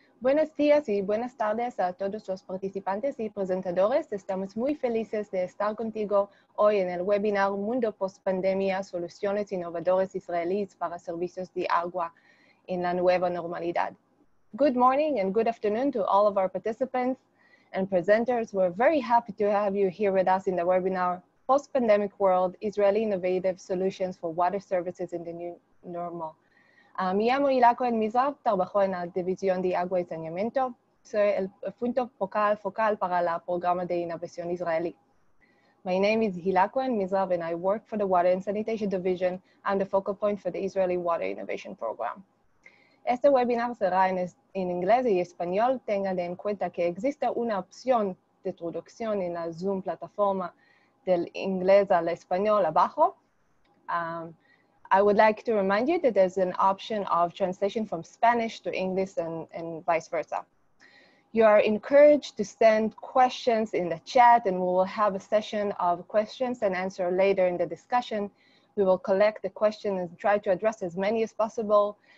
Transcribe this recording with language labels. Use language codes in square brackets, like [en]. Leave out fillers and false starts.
[es] Buenos días y buenas tardes a todos los participantes y presentadores. Estamos muy felices de estar contigo hoy en el webinar Mundo Postpandemia, Soluciones Innovadoras Israelíes para Servicios de Agua en la Nueva Normalidad. [en] Good morning and good afternoon to all of our participants and presenters. We're very happy to have you here with us in the webinar Postpandemic World, Israeli Innovative Solutions for Water Services in the New Normal. [es] Me llamo Hila Cohen Mizrahi, trabajo en la División de Agua y Saneamiento. Soy el punto focal para el Programa de Innovación Israelí. [en] My name is Hila Cohen Mizrahi and I work for the Water and Sanitation Division. I'm the focal point for the Israeli Water Innovation Program. [es] Este webinar será en inglés y español. Tengan en cuenta que existe una opción de traducción en la Zoom plataforma del inglés al español abajo. [en] I would like to remind you that there's an option of translation from Spanish to English and vice versa. You are encouraged to send questions in the chat and we will have a session of questions and answer later in the discussion. We will collect the questions and try to address as many as possible.